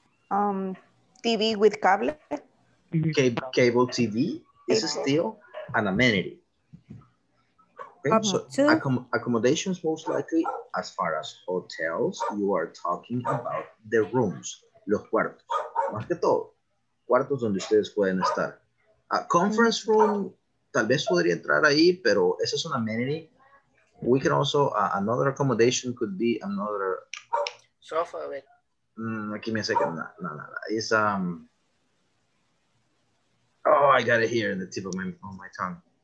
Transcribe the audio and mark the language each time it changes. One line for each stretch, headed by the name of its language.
English: TV with cable. Cable TV is still an amenity. Okay, so accommodations, most likely, as far as hotels, you are talking about the rooms,
Spanish: los cuartos. Más que todo, cuartos donde ustedes pueden estar.
English: A conference room,
Spanish: tal vez podría entrar ahí, pero eso es una amenity.
English: We can also, another accommodation could be another...
Spanish: Sofa, a ver. Aquí me hace que nada.
English: It's, oh, I got it here in the tip of my tongue.